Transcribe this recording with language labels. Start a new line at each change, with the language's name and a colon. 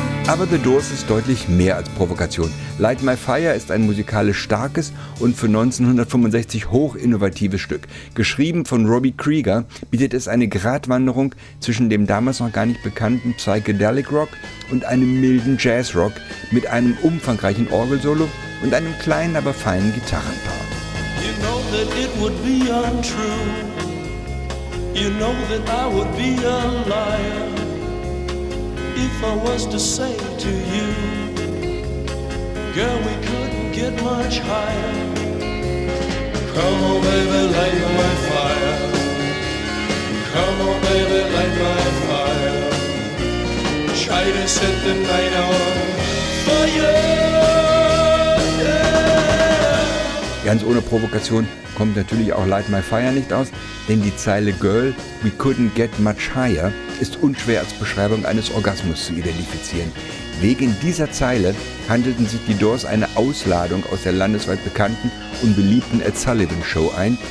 German: Aber The Doors ist deutlich mehr als Provokation. Light My Fire ist ein musikalisch starkes und für 1965 hoch innovatives Stück. Geschrieben von Robbie Krieger, bietet es eine Gratwanderung zwischen dem damals noch gar nicht bekannten Psychedelic Rock und einem milden Jazz Rock mit einem umfangreichen Orgelsolo und einem kleinen, aber feinen Gitarrenpart.
English: You know that it would be untrue. You know that I would be a liar. If I was to say to you, girl, we couldn't get much higher. Come on, baby, light my fire. Come on, baby, light my fire. Try to set the night on fire.
German: Ganz ohne Provokation kommt natürlich auch Light My Fire nicht aus, denn die Zeile
English: Girl, we couldn't get much higher
German: ist unschwer als Beschreibung eines Orgasmus zu identifizieren. Wegen dieser Zeile handelten sich die Doors eine Ausladung aus der landesweit bekannten und beliebten Ed Sullivan Show ein.